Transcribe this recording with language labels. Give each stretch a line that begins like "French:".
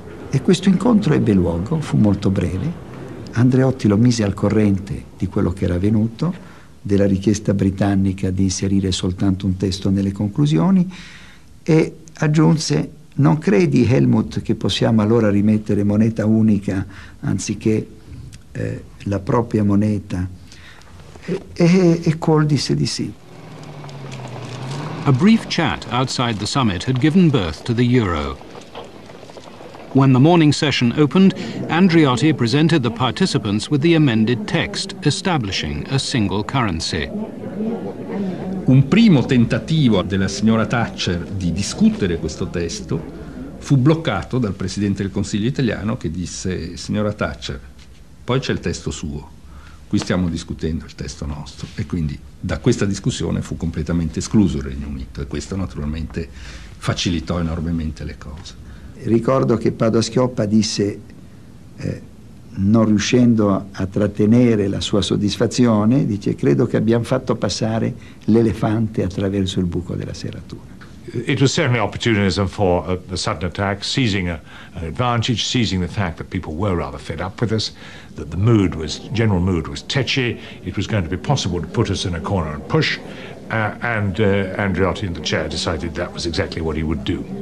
Italian: E questo incontro ebbe luogo, fu molto breve. Andreotti lo mise al corrente di quello che era avvenuto, della richiesta britannica di inserire soltanto un testo nelle conclusioni, e aggiunse: non credi, Helmut, che possiamo allora rimettere moneta unica anziché la propria moneta? E Cole disse di sì.
English: A brief chat outside the summit had given birth to the euro. When the morning session opened, Andreotti presented the participants with the amended text, establishing a single currency.
Italian: Un primo tentativo della signora Thatcher di discutere questo testo fu bloccato dal presidente del Consiglio italiano, che disse: signora Thatcher, poi c'è il testo suo, qui stiamo discutendo il testo nostro. E quindi da questa discussione fu completamente escluso il Regno Unito, e questo naturalmente facilitò enormemente le cose. Ricordo che Padoa-Schioppa disse, non riuscendo a trattenere la sua soddisfazione, dice: credo che abbiamo fatto passare l'elefante attraverso il buco della serratura.
English: It was certainly opportunism for a sudden attack, seizing an advantage, seizing the fact that people were rather fed up with us, that the mood was, general mood was tetchy, it was going to be possible to put us in a corner and push, and Andreotti in the chair decided that was exactly what he would do.